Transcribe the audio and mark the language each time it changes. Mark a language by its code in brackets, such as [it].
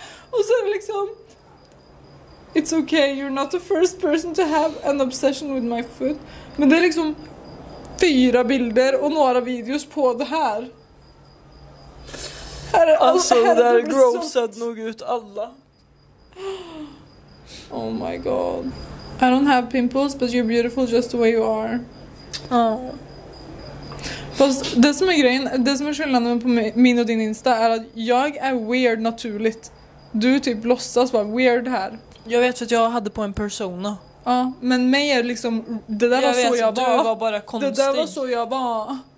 [sv] Och sen liksom, [en] it's okay, you're not the first person to have an obsession with my foot. [sv] Men det är liksom 4 bilder och några videos på det här. Här är alltså, här det här grossade nog ut alla. [en] Oh my god. I don't have pimples, but you're beautiful just the way you are. Oh. [sv] Fast det som är grejen, det som är skillnaden på min och din Insta är att jag är weird naturligt. Du typ låtsas vara weird här. Jag vet att jag hade på en persona. Ja, men mig är liksom, det där jag var vet, så jag du var. Du var bara konstig. Det där var så jag var.